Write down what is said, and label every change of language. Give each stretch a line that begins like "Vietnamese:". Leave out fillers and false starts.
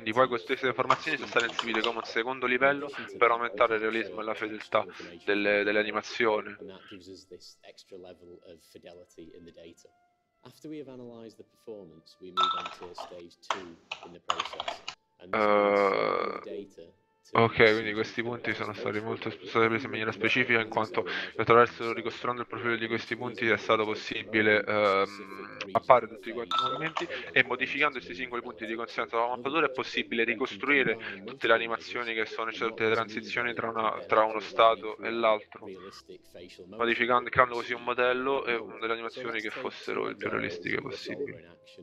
Italian: Quindi poi queste informazioni sono state inserite come un secondo livello per aumentare il realismo e la fedeltà delle animazioni.
English: Gives us this extra level of fidelity in the data. After we have analyzed the performance, we move on to stage 2 in the process.
Italian: Ok, quindi questi punti sono stati molto presi in maniera specifica, in quanto attraverso ricostruendo il profilo di questi punti è stato possibile appare tutti quanti i movimenti, e modificando questi singoli punti di conseguenza della mappatura è possibile ricostruire tutte le animazioni che sono, cioè, tutte le transizioni tra uno stato e l'altro, modificando, creando così un modello e delle animazioni che fossero il più realistiche possibile.